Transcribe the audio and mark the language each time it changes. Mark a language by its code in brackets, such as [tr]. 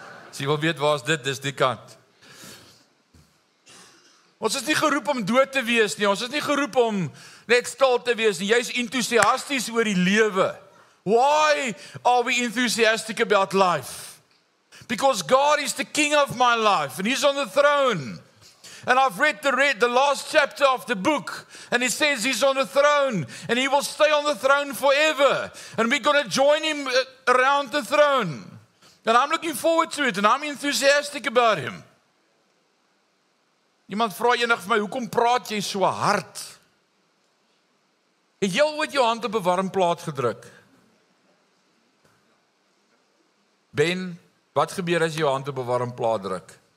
[af] As jy wil weet waar is dit, dis die kant. Ons is nie geroep om dood te wees nie. Ons is nie geroep om net stil te wees nie. Jy's entoesiasties oor die lewe. [en] Why are we enthusiastic about life? Because God is the king of my life and he's on the throne. And I've read the last chapter of the book and it says he's on the throne and he will stay on the throne forever. And we're going to join him around the throne. And I'm looking forward to it and I'm enthusiastic about him. [af] Iemand vra eendag vir my, hoekom praat jy so hard? Het jy ooit jou hand op 'n warm plaat gedruk? Ben, wat gebeur as jy jou hand op 'n warm plaat druk?